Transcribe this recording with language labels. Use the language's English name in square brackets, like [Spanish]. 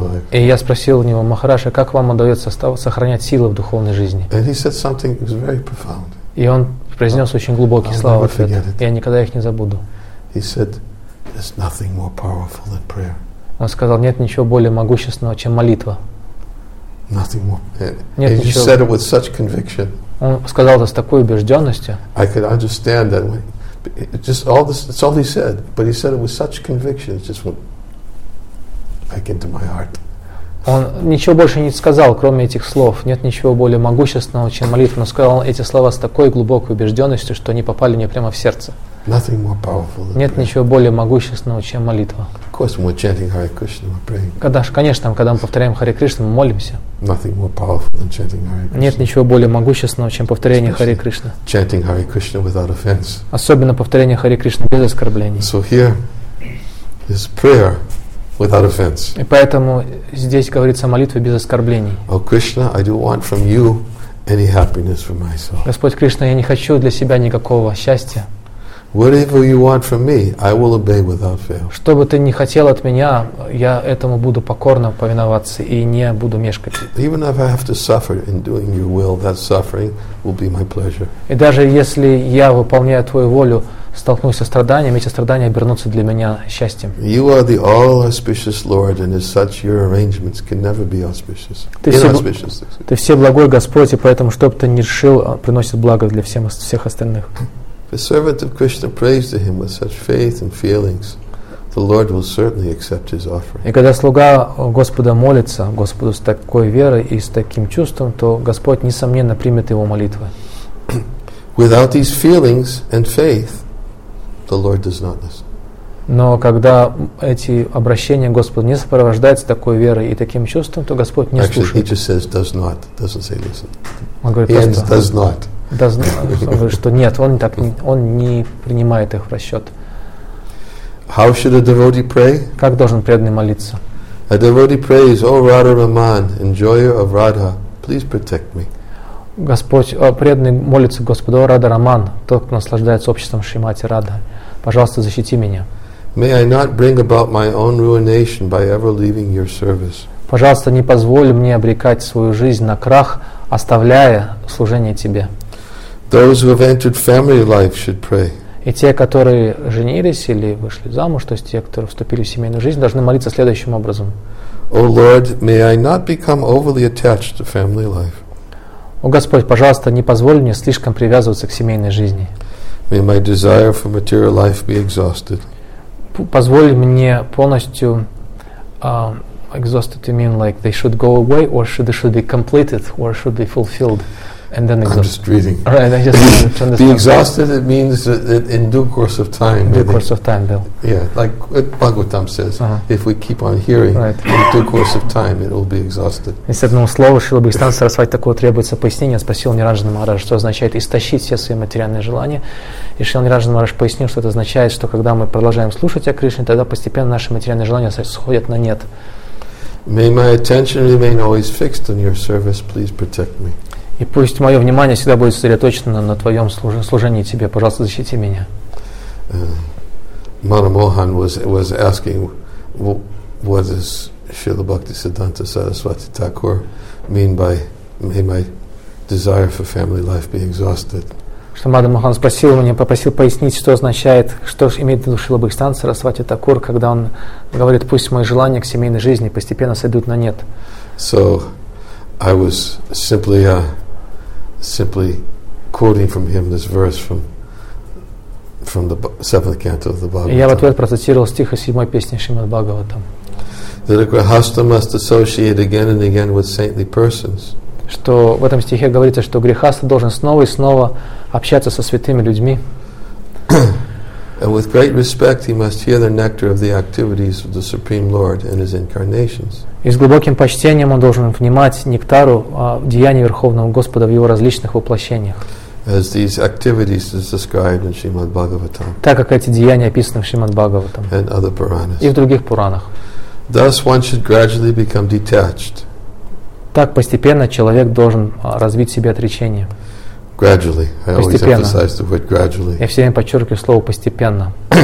[Russian] И я спросил у него, Махараша, как вам удается сохранять силы в духовной жизни? [English] And he said something very profound. [Russian] И он произнес очень глубокие слова в ответ. Я никогда их не забуду. [English] He said, there's nothing more powerful than prayer. [Russian] Он сказал, нет ничего более могущественного, чем молитва. [English] Nothing more. [Russian] Нет ничего. [English] He said it with such conviction. [Russian] Он сказал это с такой убежденностью. [English] I could understand that. It's all he said, but he said it with such conviction. It just went into my heart. [Russian] Он ничего больше не сказал, кроме этих слов. Нет ничего более могущественного, чем молитва. Но сказал эти слова с такой глубокой убежденностью, что они попали мне прямо в сердце. [English] Nothing more powerful than [Russian] Нет ничего более могущественного, чем молитва. [English] Of course, when we're chanting Hare Krishna, we're praying. [Russian] Когда мы повторяем Харе Кришну, мы молимся. [English] Nothing more powerful than chanting Hare Krishna. [Russian] Нет ничего более могущественного, чем повторение Харе Кришны. [English] Chanting Hare Krishna without offense. [Russian] Особенно повторение Харе Кришны без оскорблений. [English] So here is prayer. Without offense. [Russian] И поэтому здесь говорится о молитве без оскорблений. [English] O Krishna, I don't want from you any happiness for myself. [Russian] Господь Кришна, я не хочу для себя никакого счастья. [English] Whatever you want from me, I will obey without fail. [Russian] Что бы ты ни хотел от меня, я этому буду покорно повиноваться и не буду мешкать. [English] Even if I have to suffer in doing your will, that suffering will be my pleasure. [Russian] И даже если я выполняю твою волю, столкнусь со страданиями, эти страдания обернутся для меня счастьем. [English] You are the all auspicious Lord, and as such, your arrangements can never be auspicious. [Russian] Ты всеблагой Господь, и поэтому, что бы ты ни решил, приносит благо для всех остальных. [English] The servant of Krishna prays to him with such faith and feelings, the Lord will certainly accept his offering. [Russian] И когда слуга Господа молится Господу с такой верой и с таким чувством, то Господь несомненно примет его молитвы. [English] Without these feelings and faith, the Lord does not listen. [Russian] Но когда эти обращения Господу не сопровождаются такой верой и таким чувством, то Господь не [English] Actually, [Russian] слушает. [English] He just says does not, doesn't say listen. [Russian] Он говорит, просто, [English] does not. Does not, [Russian] что нет, он не принимает их в расчет. [English] How should a devotee pray? [Russian] Как должен преданный молиться? [English] A devotee prays, O Radha Raman, enjoyer of Radha, please protect me. [Russian] Господь, преданный молится Господу, Радха Раман, тот, кто наслаждается обществом Шримати Радха, пожалуйста, защити меня. [English] May I not bring about my own ruination by ever leaving your service? [Russian] Пожалуйста, не позволь мне обрекать свою жизнь на крах, оставляя служение тебе. [English] Those who have entered family life should pray. [Russian] И те, которые женились или вышли замуж, то есть те, которые вступили в семейную жизнь, должны молиться следующим образом. [English] O Lord, may I not become overly attached to family life. [Russian] О Господь, пожалуйста, не позволь мне слишком привязываться к семейной жизни. [English] May my desire for material life be exhausted. [Russian] Позволь мне полностью [English] exhausted, you mean like they should go away, or should they be completed, or should be fulfilled, and then exhausted. I'm just reading. Right, I just want to understand. Be exhausted, it means that in due course of time. In due course of time, Bill. Yeah, like Bhagavatam says, if we keep on hearing, in due course of time, it will be exhausted. [Russian] Из одного слова, Шрила Бхактисиддханта Сарасвати такого требуется пояснение, спросил Ниранджана Махараджа, что означает истощить все свои материальные желания. И Шрила Ниранджана Махараджа пояснил, что это означает, что когда мы продолжаем слушать о Кришне, тогда постепенно наши материальные желания сходят на нет. [English] May my attention remain always fixed on your service. Please protect me. [Russian] И пусть мое внимание всегда будет сосредоточено на твоем служении тебе. Пожалуйста, защити меня. [English] Manamohan was asking, what does Srila Bhaktisiddhanta Saraswati Thakur mean by may my desire for family life be exhausted? [Russian] Что Манамохан спросил у меня, попросил пояснить, что означает, что имеет в виду Шрила Бхактисиддханта Сарасвати Такур, когда он говорит, пусть мои желания к семейной жизни постепенно сойдут на нет. [English] So, I was simply quoting from him this verse from the seventh canto of the Bhagavatam. [Russian] Я в ответ процитировал стих из седьмой песни Шримад Бхагаватам. [English] That a grihastha must associate again and again with saintly persons. [Russian] Что в этом стихе говорится, что грехаста должен снова и снова общаться со святыми людьми. [English] And with great respect he must hear the nectar of the activities of the Supreme Lord and his incarnations. [Russian] И с глубоким почтением он должен внимать нектару деяний Верховного Господа в его различных воплощениях. [English] As these activities are described in Shrimad Bhagavatam. [Russian] Так как эти деяния описаны в Шримад Бхагаватам. [English] And other Puranas. [Russian] И в других Пуранах. [English] Thus one should gradually become detached. [Russian] Так постепенно человек должен развить в себе отречение. [English] Gradually. I always emphasize the word gradually. [Russian] Я все время подчеркиваю слово «постепенно».